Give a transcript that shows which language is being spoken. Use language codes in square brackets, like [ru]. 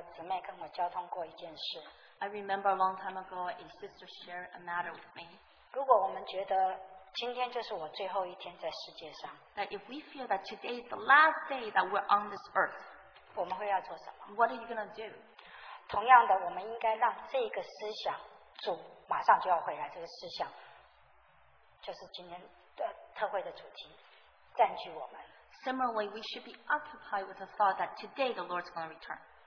[zh] 所以我记得很久以前有一个姊妹跟我交通过一件事。 [en] I remember a long time ago, a sister shared a matter with me. [zh] 如果我们觉得今天就是我最后一天在世界上, [en] that if we feel that today is the last day that we're on this earth, [zh] 我们会要做什么? [en] What are you going to do? [zh] 同样的, 我们应该让这个思想, 主马上就要回来, 这个思想, 就是今天的特会的主题, 占据我们。 [en] Similarly, we should be occupied with the thought that today the Lord's going to return.